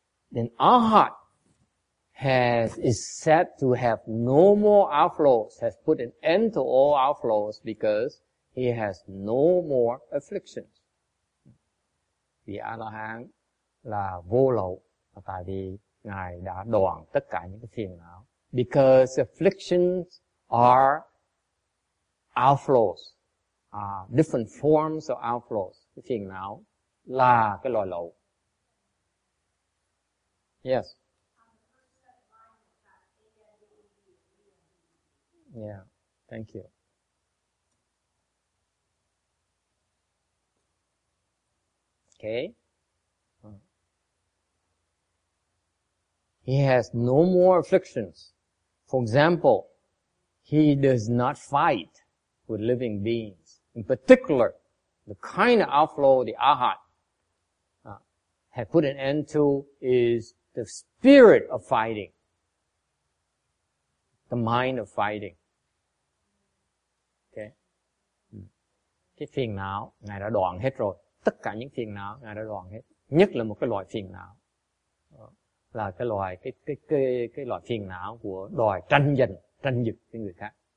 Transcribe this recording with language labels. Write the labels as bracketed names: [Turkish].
[English] Then our heart is said to have no more outflows, has put an end to all outflows because he has no more afflictions. [Vietnamese] Vì A-la-hán là vô lậu, tại vì Ngài đã đoạn tất cả những cái phiền não. [English] Because afflictions are outflows, different forms of outflows. [Vietnamese] Cái phiền não là cái loài lậu. [English] Yes. Yeah, thank you. Okay. He has no more afflictions. For example, he does not fight with living beings. In particular, the kind of outflow the Arhat have put an end to is the spirit of fighting, the mind of fighting. Okay. [Vietnamese] Cái phiền não Ngài đã đoạn hết rồi. Tất cả những phiền não Ngài đã đoạn hết, nhất là một cái loại phiền não, là cái loại phiền não của đòi tranh giành, tranh giật với người khác.